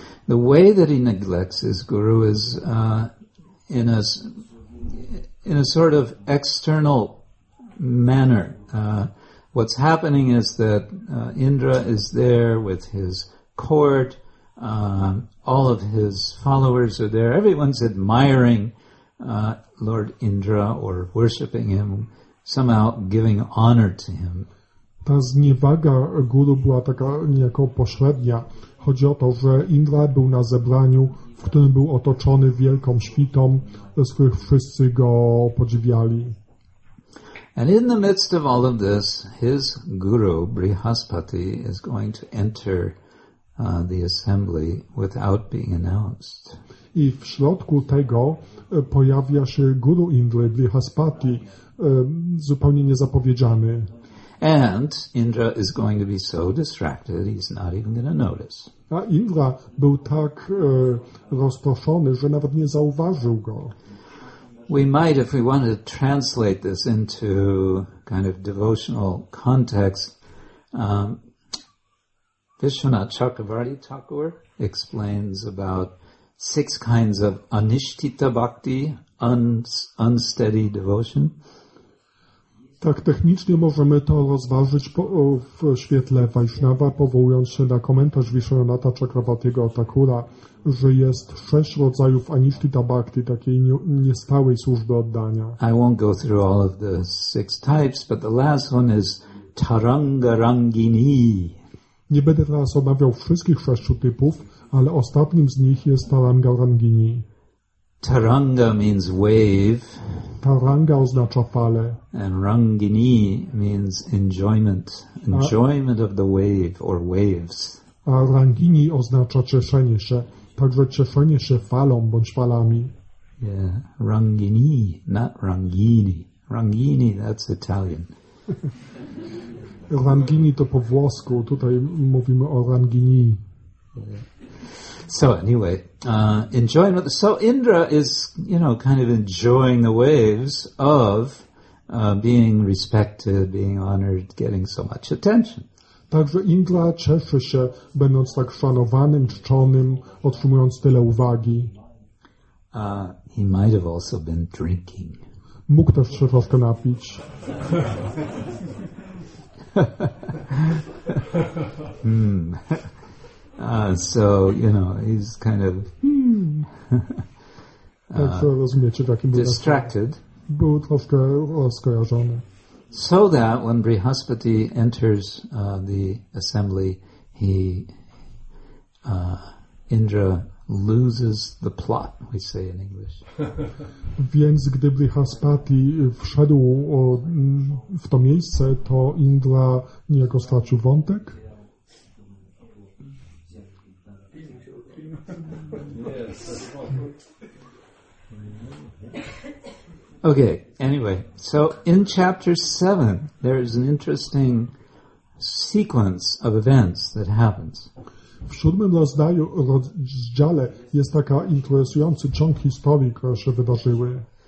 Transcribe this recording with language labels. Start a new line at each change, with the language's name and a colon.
English: The way that he neglects his guru is in a sort of external manner. What's happening is that Indra is there with his court, all of his followers are there, everyone's admiring Lord Indra or worshipping him, somehow giving honor to him.
Polish: Ta zniewaga guru była taka niejako pośrednia. Chodzi o to, że Indra był na zebraniu, w którym był otoczony wielką świtą, z których wszyscy go podziwiali.
English: And in the midst of all of this, his guru, Brihaspati, is going to enter the assembly without being announced.
Polish: I w środku tego pojawia się Guru Indra, Brihaspati, zupełnie niezapowiedziany.
English: And Indra is going to be so distracted, he's not even going to notice.
Polish: A Indra był tak rozproszony, że nawet nie zauważył go.
English: We might, if we wanted to translate this into kind of devotional context, Vishwanath Chakravarti Thakur explains about six kinds of anishtita bhakti, unsteady devotion.
Polish: Tak technicznie możemy to rozważyć w świetle Vaishnava, powołując się na komentarz Vishwanatha Chakravartiego Thakura, że jest sześć rodzajów anishtita bhakti, takiej niestałej służby oddania.
English: I won't go through all of the six types, but the last one is tarangarangini.
Polish: Nie będę teraz omawiał wszystkich sześciu typów, ale ostatnim z nich jest tarangarangini.
English: Taranga means wave.
Polish: Taranga oznacza falę.
English: And rangini means enjoyment. Enjoyment of the wave or waves.
Polish: A rangini oznacza cieszenie się. Także cieszenie się falą bądź falami.
English: Yeah, rangini, not rangini. Rangini, that's Italian.
Polish: Rangini to po włosku. Tutaj mówimy o rangini.
English: So anyway, enjoyment. So Indra is, you know, kind of enjoying the waves of being respected, being honored, getting so much attention.
Polish: Także Indra cieszy się, będąc tak szanowanym, czczonym, otrzymując tyle uwagi.
English: He might have also been drinking.
Polish: Mógł też się troszkę napić.
English: So, you know, he's kind of distracted.
Polish: Był troszkę rozkojarzony.
English: So that when Brihaspati enters the assembly, Indra loses the plot, we say in English.
Polish: Więc gdy Brihaspati wszedł w to miejsce, to Indra niejako stracił wątek.
English: Okay, anyway, so in chapter 7, there is an interesting sequence of events that happens.
Polish: W siódmym rozdziale jest taka interesujący ciąg historii, które się wydarzyły.